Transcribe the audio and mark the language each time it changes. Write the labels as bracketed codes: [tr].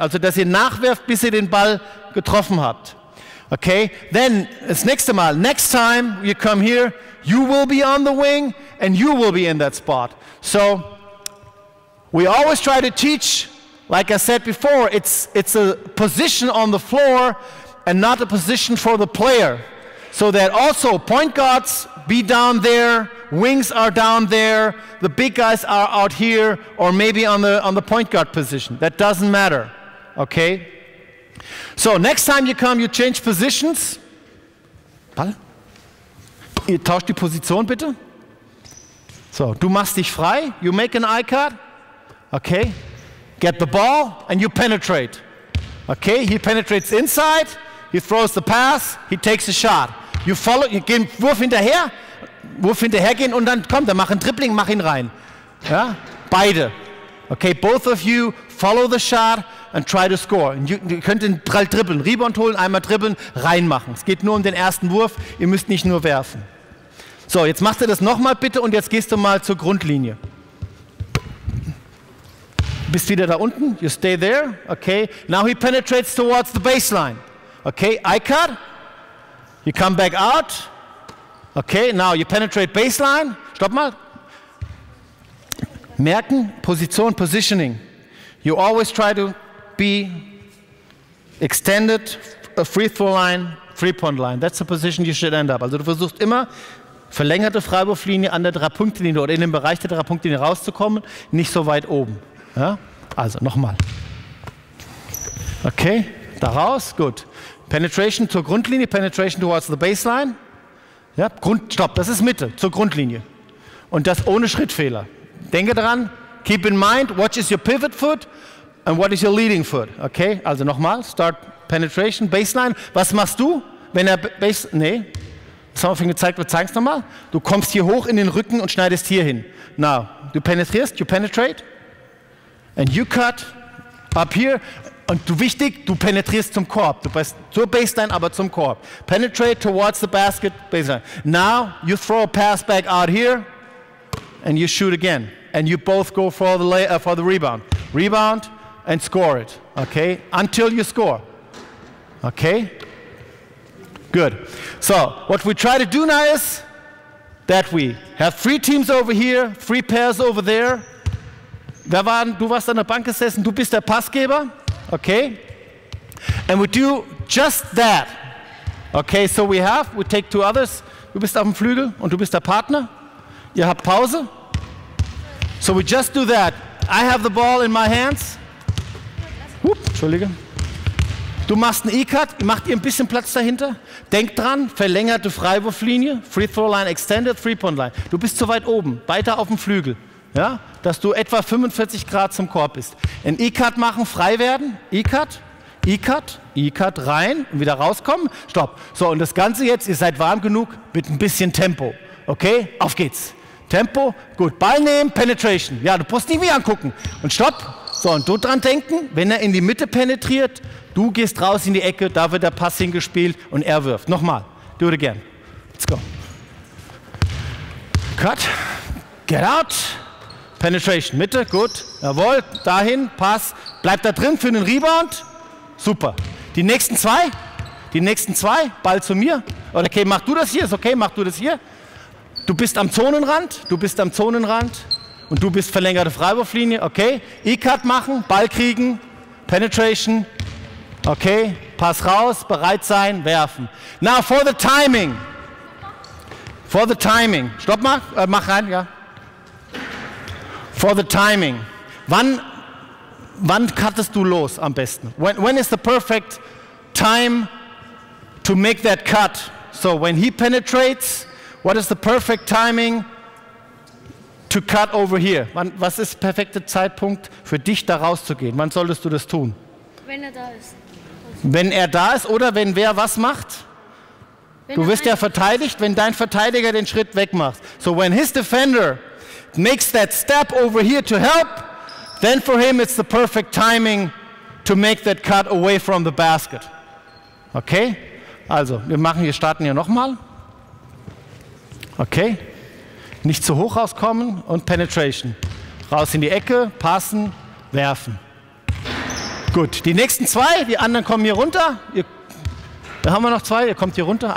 [de] Also, dass ihr nachwerft, bis ihr den Ball getroffen habt. Okay? [en] Then, [de] das nächste Mal, [en] next time you come here, you will be on the wing and you will be in that spot. So, we always try to teach, like I said before, it's a position on the floor and not a position for the player. So that also point guards be down there, wings are down there, the big guys are out here, or maybe on the point guard position. That doesn't matter, okay? So next time you come, you change positions. Ball? [de] Ihr tauscht die Position bitte. [en] So, [de] du machst dich frei, [en] you make an eye cut, okay? Get the ball and you penetrate. Okay, he penetrates inside, he throws the pass, he takes a shot. You follow, you [de] gehen Wurf hinterher gehen und dann komm, dann mach ein Dribbling, mach ihn rein. Ja? Beide. [en] Okay, both of you follow the shot and try to score. And you [de] könnt den Ball dribbeln, Rebound holen, einmal dribbeln, reinmachen. Es geht nur um den ersten Wurf, ihr müsst nicht nur werfen. So, jetzt machst du das nochmal bitte und jetzt gehst du mal zur Grundlinie. Bist wieder da unten, [en] you stay there, okay. Now he penetrates towards the baseline. Okay, eye cut. You come back out. Okay, now you penetrate baseline. [de] Stopp mal. Merken, Position, [en] positioning. You always try to be extended, a free throw line, three point line. That's the position you should end up. [de] Also du versuchst immer, verlängerte Freiwurflinie an der Drei-Punkte-Linie oder in dem Bereich der Drei-Punkte-Linie rauszukommen, nicht so weit oben. Ja? Also, nochmal. Okay, da raus, gut. Penetration zur Grundlinie, [en] penetration towards the baseline. [de] Ja, Grundstopp, das ist Mitte, zur Grundlinie. Und das ohne Schrittfehler. Denke daran, [en] keep in mind, what is your pivot foot and what is your leading foot. Okay, also nochmal, start penetration, baseline. [de] Was machst du, wenn er base, nee, das haben wir vorhin gezeigt, wir zeigen es nochmal. Du kommst hier hoch in den Rücken und schneidest hier hin. Now, du penetrierst, [en] you penetrate. And you cut up here. [de] Und du, wichtig, du penetrierst zum Korb. Du bist zur Baseline, aber zum Korb. [en] Penetrate towards the basket, baseline. Now you throw a pass back out here and you shoot again. And you both go for the rebound. Rebound and score it. Okay? Until you score. Okay? Good. So, what we try to do now is that we have three teams over here, three pairs over there. [de] Du warst an der Bank gesessen, du bist der Passgeber, okay? [en] And we do just that, okay? So we take two others, [de] du bist auf dem Flügel und du bist der Partner. Ihr habt Pause. [en] So we just do that. I have the ball in my hands. [de] Entschuldige. Du machst einen E-Cut, macht ihr ein bisschen Platz dahinter. Denk dran, verlängerte Freiwurflinie, [en] Free Throw Line Extended, Three Point Line. [de] Du bist zu weit oben, weiter auf dem Flügel. Ja, dass du etwa 45 Grad zum Korb bist. Ein E-Cut machen, frei werden, E-Cut, E-Cut, E-Cut, rein und wieder rauskommen, stopp. So, und das Ganze jetzt, ihr seid warm genug, mit ein bisschen Tempo, okay, auf geht's. Tempo, gut, Ball nehmen, Penetration, ja, du musst nicht mehr angucken. Und stopp, so, und du dran denken, wenn er in die Mitte penetriert, du gehst raus in die Ecke, da wird der Pass hingespielt und er wirft. Nochmal, [en] do it again, let's go. Cut, get out. [de] Penetration, Mitte, gut, jawohl, dahin, Pass, bleibt da drin für einen Rebound, super. Die nächsten zwei, Ball zu mir, okay, mach du das hier, ist okay, mach du das hier. Du bist am Zonenrand und du bist verlängerte Freiwurflinie, okay. E-Cut machen, Ball kriegen, Penetration, okay, Pass raus, bereit sein, werfen. [en] Now for the timing, [de] stopp mal, mach rein, ja. [en] For the timing, [de] wann cuttest du los am besten? [en] When is the perfect time to make that cut? So when he penetrates, what is the perfect timing to cut over here? [de] Was ist der perfekte Zeitpunkt für dich da rauszugehen? Wann solltest du das tun? Wenn er da ist. Wenn er da ist oder wenn wer was macht? Du wirst ja verteidigt, wenn dein Verteidiger den Schritt wegmacht. [en] So when his defender makes that step over here to help, then for him it's the perfect timing to make that cut away from the basket. Okay? [de] Also, wir starten hier nochmal. Okay? Nicht zu hoch rauskommen und Penetration. Raus in die Ecke, passen, werfen. Gut, die nächsten zwei, die anderen kommen hier runter. Da haben wir noch zwei, ihr kommt hier runter.